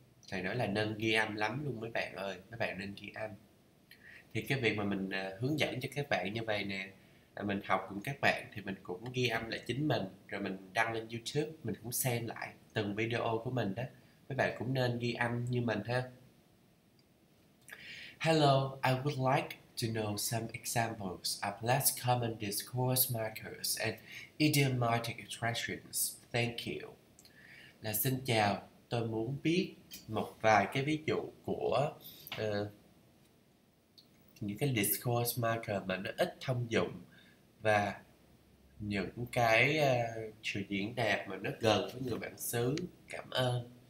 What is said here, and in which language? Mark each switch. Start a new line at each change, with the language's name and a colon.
Vietnamese: Thầy nói là nên ghi âm lắm luôn mấy bạn ơi, mấy bạn nên ghi âm. Thì cái việc mà mình hướng dẫn cho các bạn như vậy nè, là mình học cùng các bạn thì mình cũng ghi âm lại chính mình, rồi mình đăng lên YouTube, mình cũng xem lại từng video của mình đó. Mấy bạn cũng nên ghi âm như mình ha.
English: Hello, I would like to know some examples of less common discourse markers and idiomatic expressions. Thank you.
Vietnamese: Là xin chào, tôi muốn biết một vài cái ví dụ của những cái discourse marker mà nó ít thông dụng và những cái sự diễn đạt mà nó gần với người bản xứ. Cảm ơn.